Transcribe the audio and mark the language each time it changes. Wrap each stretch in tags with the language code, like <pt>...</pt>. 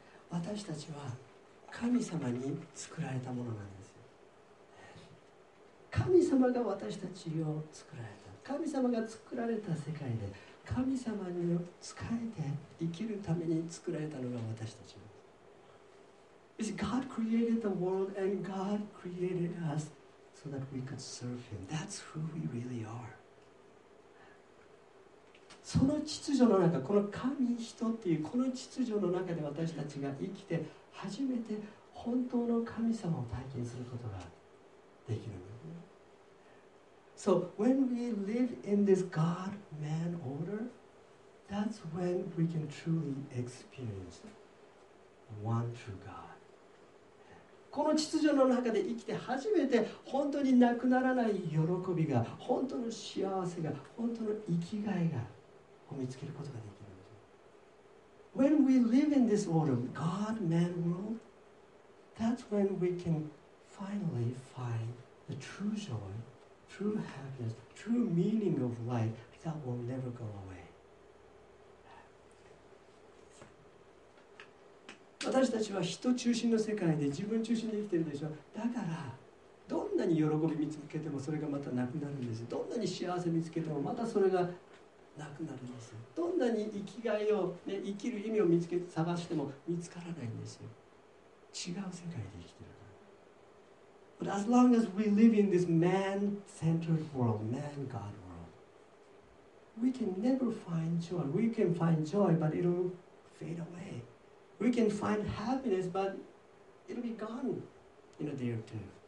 <ja>私たちは神様に作られたものなんですよ。神様が私たちを作られた。神様が作られた世界で、神様に仕えて生きるために作られたのが私たち。</ja> <en>God created the world and God created us so that we could serve Him. That's who we really are.</en> <ja>その秩序の中、この神人っていうこの秩序の中で私たちが生きて初めて本当の神様を体験することができるんですね。</ja> <en>So when we live in this God-man order, that's when we can truly experience one true God.</en> <ja>この秩序の中で生きて初めて本当になくならない喜びが、本当の幸せが、本当の生きがいがを見つけることができるんです。</ja> <en>When we live in this world, God, man, world, that's when we can finally find the true joy, true happiness, true meaning of life that will never go away.</en> <ja>私たちは人中心の世界で自分中心で生きてるでしょ。だからどんなに喜び見つけてもそれがまたなくなるんです。どんなに幸せ見つけてもまたそれがなくなるんです。どんなに生きがいを、ね、生きる意味を見つけて探しても見つからないんですよ。違う世界で生きてるから</ja> <en>But as long as we live in this man-centered world, man-God world, we can never find joy. We can find joy, but it'll fade awayWe can find happiness, but it'll be gone in a day or two.</en>